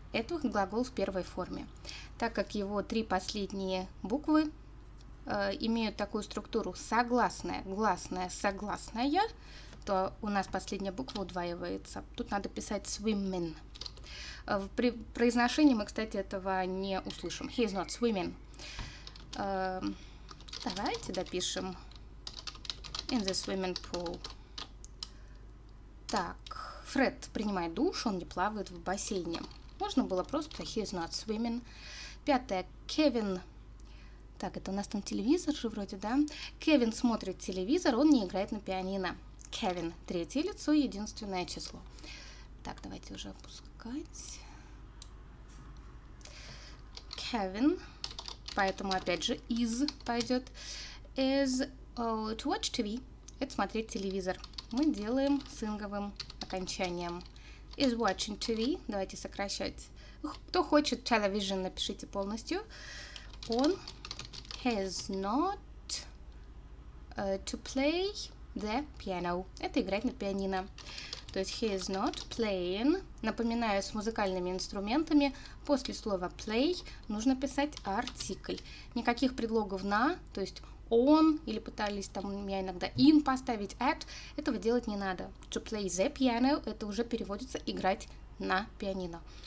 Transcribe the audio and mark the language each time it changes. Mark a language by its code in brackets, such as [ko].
[ru] Это глагол в первой форме. Так как его три последние буквы имеют такую структуру согласная, гласная, согласная, то у нас последняя буква удваивается. Тут надо писать swimming. При произношении мы, кстати, этого не услышим. [en] He is not swimming. [ru] Давайте допишем [en] in the swimming pool. [ru] Так, Фред принимает душ, он не плавает в бассейне. Можно было просто [en] he is not swimming. [ru] Пятое. Кевин. Так, это у нас там телевизор же вроде, да? Кевин смотрит телевизор, он не играет на пианино. Кевин. Третье лицо, единственное число. Так, давайте уже опускать. Кевин. Поэтому опять же is пойдет. [en] Is to watch TV. [ru] Это смотреть телевизор. Мы делаем с инговым окончанием. [en] Is watching TV. [ru] Давайте сокращать. Кто хочет television, напишите полностью. Он [en] has not to play the piano. [ru] Это играть на пианино. То есть [en] he is not playing. [ru] Напоминаю, с музыкальными инструментами после слова play нужно писать артикль. Никаких предлогов на, то есть on, или пытались там у меня иногда in поставить, at. Этого делать не надо. [en] To play the piano [ru] — это уже переводится играть на пианино.